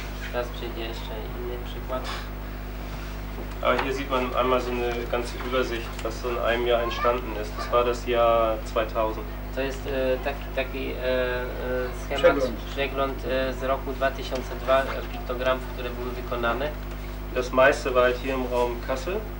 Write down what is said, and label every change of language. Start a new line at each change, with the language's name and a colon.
Polish: Teraz przyjdzie jeszcze inny przykład.
German: Aber hier sieht man einmal so eine ganze Übersicht, was so in einem Jahr entstanden ist. Das war das Jahr 2000.
Polish: To jest taki schemat, przegląd z roku 2002, piktogramów, które były wykonane.
German: Das meiste war hier im Raum Kassel.